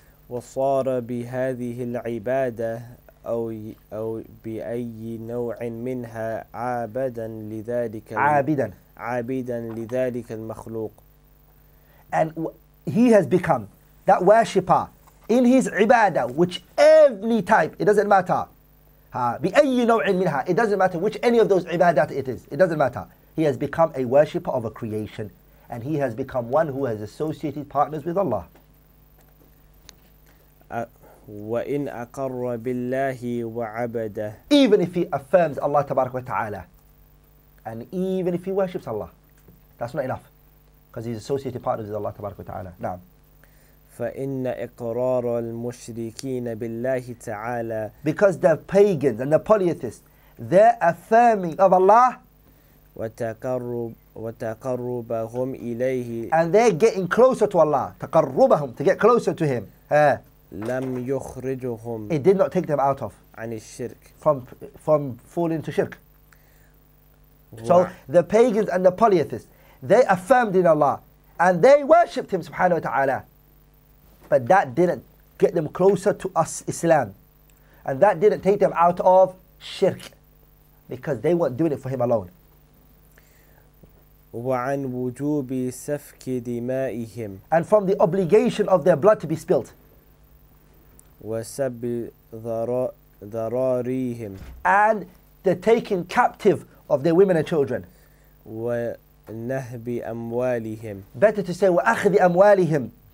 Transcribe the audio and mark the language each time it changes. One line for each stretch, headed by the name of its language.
Arabic: وصار بهذه العبادة أو بأي نوع منها عابدا لذلك عابدا لذلك المخلوق.
English: And he has become that worshipper in his عبادة, which any type, it doesn't matter.
Arabic: بأي نوع منها,
English: it doesn't matter which any of those عبادات it is, it doesn't matter. He has become a worshipper of a creation, and he has become one who has associated partners with Allah.
Arabic: وإن أقر بالله وعبده.
English: Even if he affirms Allah تبارك وتعالى, and even if he worships Allah, that's not enough, because he's associated partners with Allah تبارك وتعالى.
Arabic: نعم. فإن إقرار المشركين بالله تعالى.
English: Because the pagans and the polytheists, they're affirming of Allah.
Arabic: وتقربهم إليه.
English: And they're getting closer to Allah. تقربهم, to get closer to Him.
Arabic: لم يخرجهم.
English: It did not take them out of.
Arabic: عن الشرك.
English: From falling to shirk. So the pagans and the polytheists, they affirmed in Allah and they worshipped Him subhanahu wa ta'ala. But that didn't get them closer to us, Islam. And that didn't take them out of shirk. Because they weren't doing it for Him alone.
Arabic: وعن وجوب سفك دمائهم.
English: And from the obligation of their blood to be spilt.
Arabic: وسب ذراريهم.
English: And the taking captive of their women and children.
Arabic: ونهب أموالهم.
English: Better to say
Arabic: وأخذ أموالهم.